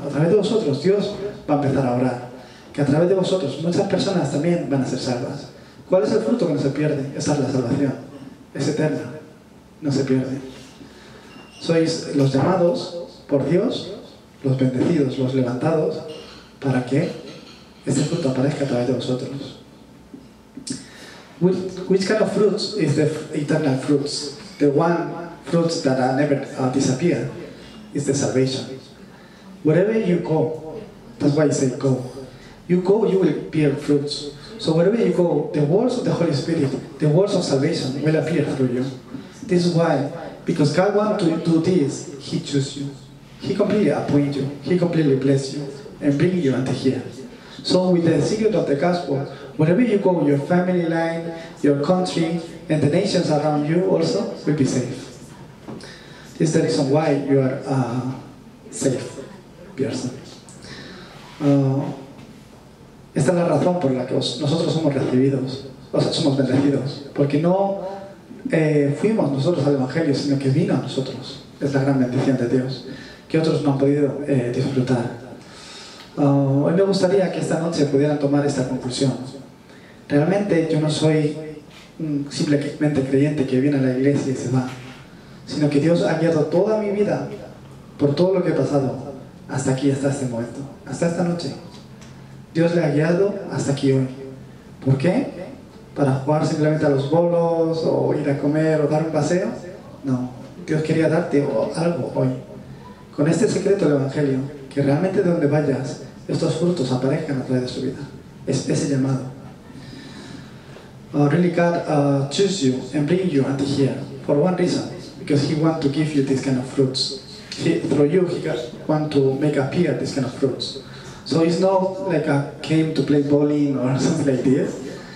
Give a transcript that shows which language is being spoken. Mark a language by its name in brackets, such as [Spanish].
[Spanish] A través de vosotros Dios va a empezar a orar. Que a través de vosotros muchas personas también van a ser salvas. ¿Cuál es el fruto que no se pierde? Esa es la salvación. Es eterna. No se pierde. Sois los llamados por Dios, los bendecidos, los levantados, para que este fruto aparezca a través de vosotros. [English] Which kind of fruits is the eternal fruits? The one fruit that never disappear is the salvation. Wherever you go, that's why I say go. You go, you will bear fruits. So wherever you go, the words of the Holy Spirit, the words of salvation will appear through you. This is why, because God wants to do this, He chooses you. He completely appoints you. He completely blesses you and brings you unto here. So with the secret of the gospel, wherever you go, your family line, your country, and the nations around you also will be safe. This is the reason why you are a safe person. [Spanish] Esta es la razón por la que nosotros somos recibidos, o sea, somos bendecidos. Porque no fuimos nosotros al Evangelio, sino que vino a nosotros. Es la gran bendición de Dios, que otros no han podido disfrutar. Hoy me gustaría que esta noche pudieran tomar esta conclusión. Realmente yo no soy un simplemente creyente que viene a la iglesia y se va, sino que Dios ha guiado toda mi vida por todo lo que he pasado hasta aquí, hasta este momento, hasta esta noche. Dios le ha guiado hasta aquí hoy. ¿Por qué? ¿Para jugar simplemente a los bolos o ir a comer o dar un paseo? No, Dios quería darte algo hoy. Con este secreto del Evangelio, que realmente de donde vayas, estos frutos aparezcan a través de su vida. Es ese llamado. [English] Really God chooses you and bring you unto here for one reason, because he wants to give you these kind of fruits. He, through you, he wants to make appear these kind of fruits. So it's not like I came to play bowling or something like this.